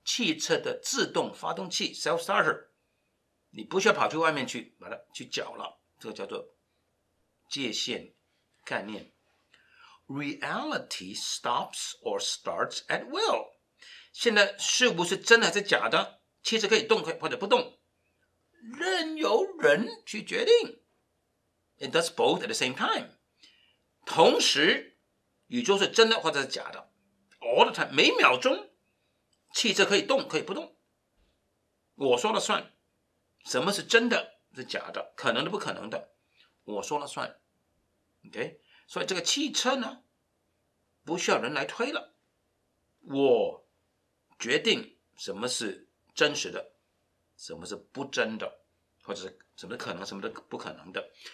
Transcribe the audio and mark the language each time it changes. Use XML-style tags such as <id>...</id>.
<zh>汽车的自动发动器 self starter， 你不需要跑去外面去把它去缴了，这个叫做界限概念。</zh> <en>Reality stops or starts at will，</en> <zh>现在是不是真的还是假的，汽车可以动或者不动，任由人去决定。</zh> <en>It does both at the same time，</en> <zh>同时宇宙是真的或者是假的。</zh> <en>All the time，</en> <zh>每秒钟汽车可以动可以不动，我说了算。什么是真的是假的，可能的不可能的，我说了算。 OK， 所以这个汽车呢不需要人来推了，我决定什么是真实的，什么是不真的，或者是什么是可能，什么是不可能的。</zh>